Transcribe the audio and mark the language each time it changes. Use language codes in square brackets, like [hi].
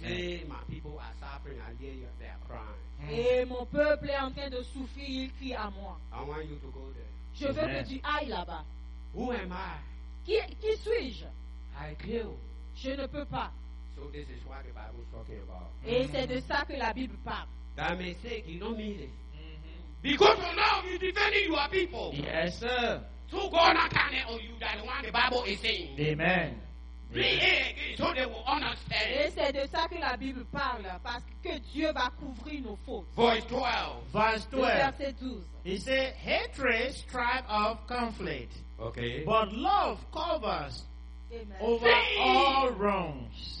[en] Say, my people are suffering and they are crying. [fr] Et mon peuple est en train de souffrir, il crie à moi. [en] I want you to go there. [fr] Je veux que tu ailles là-bas. [en] Who am I? [fr] Qui suis-je? [en] I kill. [fr] Je ne peux pas. [en] So this is what the Bible is talking about. [fr] Et c'est de ça que la Bible parle. [en] That mistake, you don't mean it. Because for now, you're defending your people. Yes, sir. So God not counting on you, that one the Bible is saying. Amen. [fr] Et c'est de ça que la Bible parle, parce que Dieu va couvrir nos fautes. [en] Verse 12. [fr] Il dit, [en] hatred strive of conflict. Okay. But love covers over all wrongs.